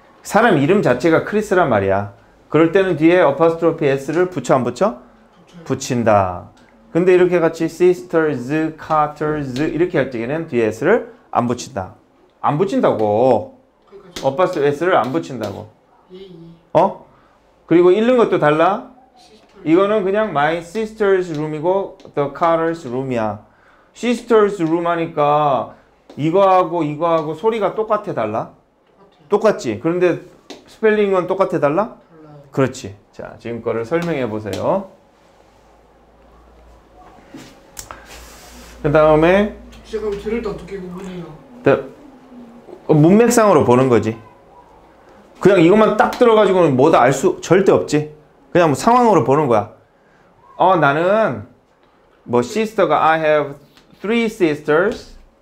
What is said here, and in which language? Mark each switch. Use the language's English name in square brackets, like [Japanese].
[Korean] 사람 이름 자체가 Chris란 말이야. 그럴 때는 뒤에 apostrophe S를 붙여 안 붙여? 붙인다. 근데 이렇게 같이 sisters, carters 이렇게 할 적에는 뒤에 S를 안 붙인다. 안 붙인다고. 어퍼스트로피 S를 안 붙인다고. 어? 그리고 읽는 것도 달라? 이거는 그냥 [English] my sister's room [Korean] 이고 [English] the carter's room [Korean] 이야. sister's room 하니까 이거하고 이거하고 소리가 똑같아 달라? 똑같지? 그런데 스펠링은 똑같아 달라? 달라요. 그렇지. 자, 지금 거를 설명해 보세요. 그 다음에 지금 들을 때 어떻게 구분해요? 문맥상으로 보는 거지. 그냥 이것만 딱 들어가지고는 뭐다 알 수 절대 없지. 그냥 뭐 상황으로 보는 거야. 나는 뭐 시스터가 [English] I have three sisters.